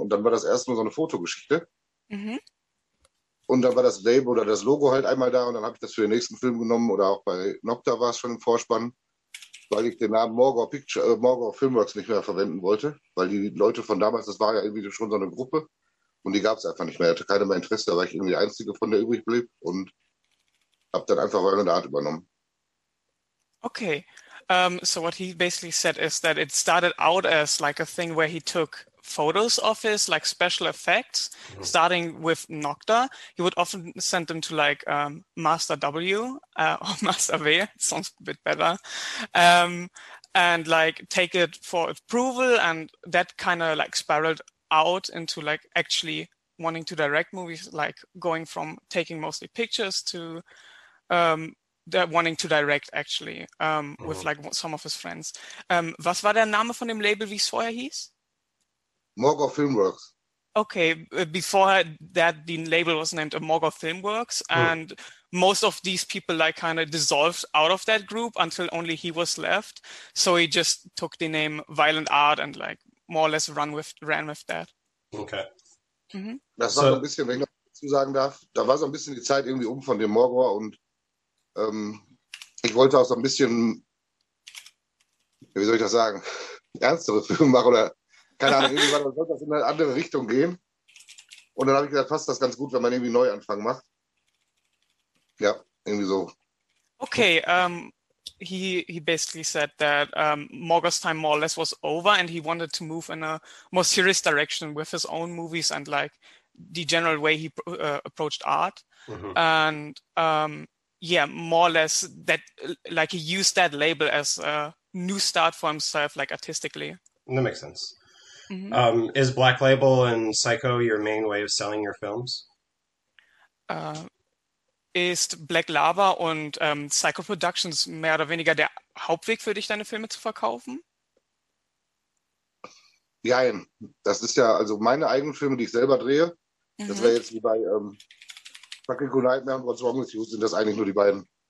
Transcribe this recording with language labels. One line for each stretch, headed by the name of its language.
German: Und dann war das erst nur so eine Fotogeschichte. Und dann war das Label oder das Logo halt einmal da und dann habe ich das für den nächsten Film genommen oder auch bei Nocta war es schon im Vorspann, weil ich den Namen Morgor Filmworks nicht mehr verwenden wollte, weil die Leute von damals, das war ja irgendwie schon so eine Gruppe und die gab es einfach nicht mehr. Ich hatte keiner mehr Interesse, da war ich irgendwie der Einzige von der übrig blieb und habe dann einfach Violent Art übernommen.
English: Okay, So what he basically said is that it started out as like a thing where he took photos of his like special effects, starting with Nocta. He would often send them to like Master W or Master V. Sounds a bit better. And like take it for approval, and that kind of like spiraled out into like actually wanting to direct movies, like going from taking mostly pictures to they're wanting to direct actually with like some of his friends.
German: Was war der Name von dem Label, wie es vorher hieß? Morgor
English: Okay, before that the label was named Amogo Filmworks, Filmworks. and most of these people like kind of dissolved out of that group until only he was left. So he just took the name Violent Art and like more or less ran with that. Okay.
German: Das war so ein
English: So.
German: bisschen, wenn ich noch dazu sagen darf, da war so ein bisschen die Zeit irgendwie um von dem Morgor und ich wollte auch so ein bisschen, wie soll ich das sagen, ernstere Filme machen oder keine Ahnung, irgendwie war das, sollte das in eine andere Richtung gehen. Und dann habe ich gedacht, passt das ganz gut, wenn man irgendwie einen Neuanfang macht. Ja, irgendwie so.
English: Okay, he basically said that Morgor's time more or less was over, and he wanted to move in a more serious direction with his own movies and like the general way he approached art. And yeah, more or less that like he used that label as a new start for himself, like artistically. That makes sense. Is Black Label and Psycho your main way of selling your films?
German: Ist Black Lava und Psycho Productions mehr oder weniger der Hauptweg für dich, deine Filme zu verkaufen? Ja, das ist ja also meine eigenen Filme, die ich selber drehe. Das wäre jetzt wie bei Practical Nightmare und What's Wrong with You, sind das eigentlich nur die beiden.